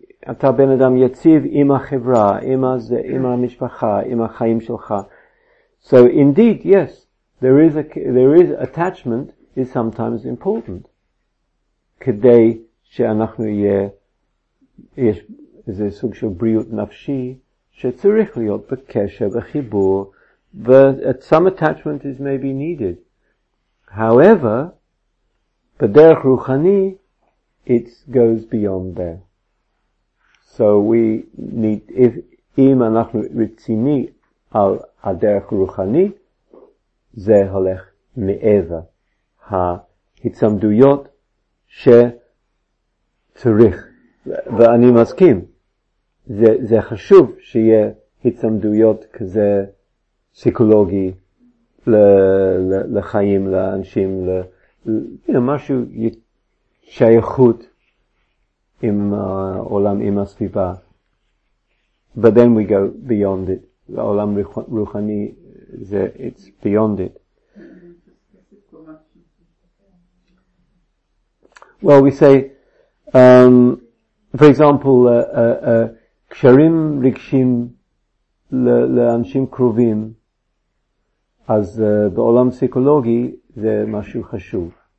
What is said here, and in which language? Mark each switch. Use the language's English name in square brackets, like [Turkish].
[Hebrew] אתה בן אדם יציב עם החברה, עם המשפחה, עם החיים שלך. [English] So indeed, yes, there is attachment is sometimes important. [Hebrew] כדי שאנחנו יש איזה סוג של בריאות נפשי שצריך להיות בקשר, בחיבור, [English] but some attachment is maybe needed. However, [Hebrew] בדרך רוחני, [English] it goes beyond there. So we need, [Hebrew] אם אנחנו רציני על הדרך רוחני, זה הולך מעבר ההצמדויות שצריך. ואני מסכים, זה חשוב שיהיה הצמדויות כזה פסיכולוגי לחיים, לאנשים, משהו שייכות עם העולם, עם הסביבה. [English] But then we go beyond it. [Hebrew] העולם רוחני, [English] it's beyond it. Well, we say, for example, [Hebrew] קשרים רגשים לאנשים קרובים, אז בעולם פסיכולוגי זה משהו חשוב.